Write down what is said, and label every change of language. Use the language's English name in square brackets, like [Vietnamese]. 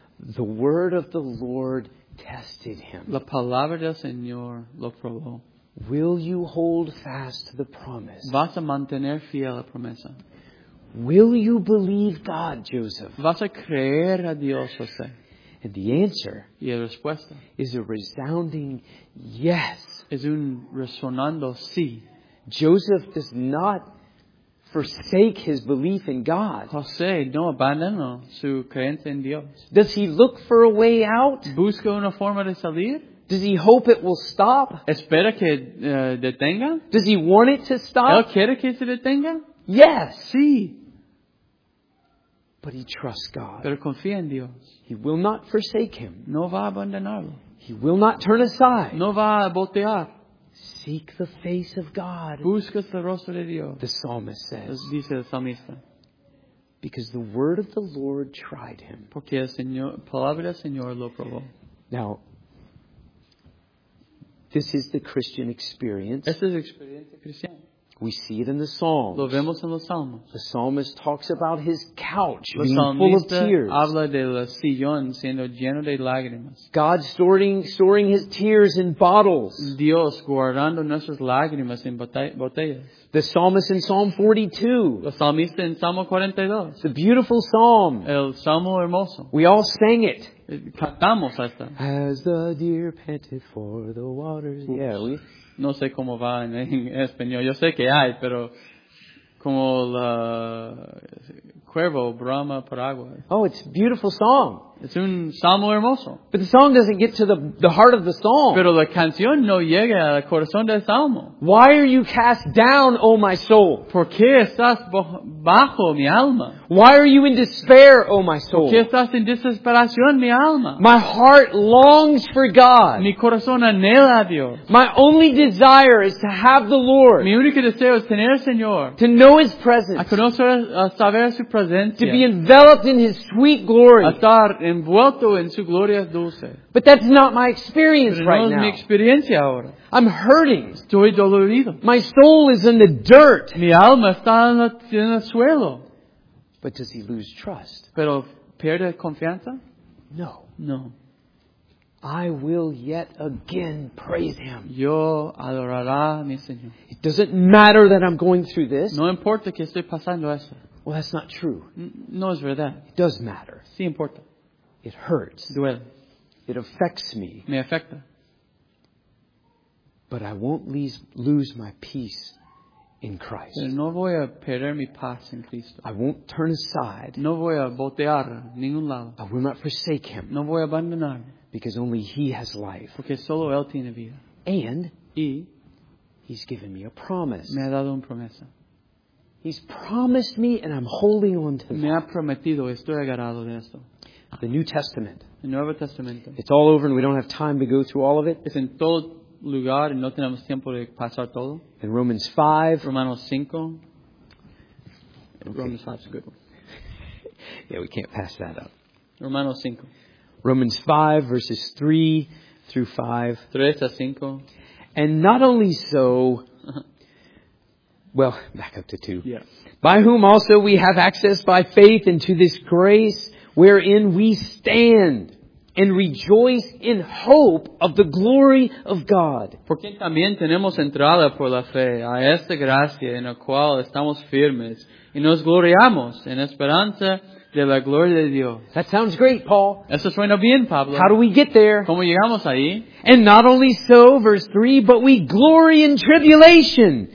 [English] the word of the Lord tested him. [Spanish] La palabra del Señor lo probó. [English] Will you hold fast to the promise? [Spanish] Vas a mantener fiel a la promesa. [English] Will you believe God, Joseph? [Spanish] ¿Vas a creer a Dios, José? [English] And the answer [Spanish] y la respuesta [English] is a resounding yes. [Spanish] Es un resonando sí. [English] Joseph does not forsake his belief in God. [Spanish] José no abandonó su creencia en Dios. [English] Does he look for a way out? [Spanish] ¿Busca una forma de salir? [English] Does he hope it will stop? [Spanish] ¿Espera que detenga? [English] Does he want it to stop? [Spanish] ¿Él quiere que se detenga? [English] Yes, see. But he trusts God. [Spanish] Pero confía en Dios. [English] He will not forsake him. [Spanish] No va a abandonarlo. [English] He will not turn aside. [Spanish] No va a voltear. [English] Seek the face of God. [Spanish] Busca el rostro de Dios. [English] The psalmist says. [Spanish] Dice el salmista. [English] Because the word of the Lord tried him. [Spanish] Porque el Señor, palabra del Señor lo probó. [English] Now, this is the Christian experience. [Spanish] Esta es la experiencia cristiana. [English] We see it in the Psalms. [Spanish] Lo vemos en los Salmos. [English] The psalmist talks about his couch [Spanish] los [English] being full of tears. [Spanish] Habla de la sillón siendo lleno de lágrimas. [English] God storing his tears in bottles. [Spanish] Dios guardando nuestras lágrimas en botellas. [English] The psalmist in Psalm 42. [Spanish] El salmista en Salmo 42. [English] The beautiful psalm. [Spanish] El salmo hermoso. [English] We all sang it. [Spanish] Cantamos hasta. [English] As the deer panted for the waters. Oops. Yeah, we. [Spanish] No sé cómo va en español. Yo sé que hay, pero como el cuervo brama por agua. [English] Oh, it's a beautiful song. [Spanish] Es un salmo hermoso. [English] But the song doesn't get to the heart of the song. [Spanish] Pero la canción no llega al corazón del salmo. [English] Why are you cast down, O my soul? [Spanish] ¿Por qué estás bajo mi alma? [English] Why are you in despair, O my soul? [Spanish] ¿Por qué estás en desesperación, mi alma? [English] My heart longs for God. [Spanish] Mi corazón anhela a Dios. [English] My only desire is to have the Lord. [Spanish] Mi único deseo es tener al Señor. [English] To know His presence. [Spanish] A conocer, a saber su presencia. [English] To be enveloped in His sweet glory. [Spanish] A estar envuelto en su gloria dulce. [English] But that's not my experience [Spanish] no [English] right [Spanish] es [English] now. [Spanish] Mi experiencia ahora. [English] I'm hurting. [Spanish] Estoy dolorido. [English] My soul is in the dirt. [Spanish] Mi alma está en el suelo. [English] But does he lose trust? [Spanish] ¿Pero pierde confianza? [English] No. [Spanish] No. [English] I will yet again praise him. [Spanish] Yo adorará mi Señor. [English] It doesn't matter that I'm going through this. [Spanish] No importa que estoy pasando esto. [English] Well, that's not true. [Spanish] No es verdad. [English] It does matter. [Spanish] Sí importa. [English] It hurts. [Spanish] Duele. [English] It affects me. [Spanish] Me afecta. [English] But I won't lose my peace in Christ. [Spanish] Pero no voy a perder mi paz en Cristo. [English] I won't turn aside. [Spanish] No voy a voltear a ningún lado. [English] I will not forsake him. [Spanish] No voy a abandonar. [English] Because only he has life. [Spanish] Porque solo él tiene vida. [English] And [Spanish] y [English] he's given me a promise. [Spanish] Me ha dado una promesa. [English] He's promised me and I'm holding on to that. [Spanish] Me ha prometido, estoy agarrado de esto. [English] The New Testament. [Spanish] El Nuevo Testamento. [English] It's all over and we don't have time to go through all of it. [Spanish] Es en todo lugar y no tenemos tiempo de pasar todo. [English] In Romans 5. Romanos 5. Okay. Romans 5 is a good one. Yeah, we can't pass that up. [Spanish] Romanos 5. [English] Romans 5, verses 3 through 5. [Spanish] 3 a 5. [English] And not only so, well, back up to 2. Yeah. By whom also we have access by faith into this grace wherein we stand and rejoice in hope of the glory of God. [Spanish] Porque también tenemos entrada por la fe a esta gracia en la cual estamos firmes y nos gloriamos en esperanza de la gloria de Dios. [English] That sounds great, Paul. [Spanish] Eso suena bien, Pablo. [English] How do we get there? [Spanish] ¿Cómo llegamos ahí? [English] And not only so, verse 3, but we glory in tribulation.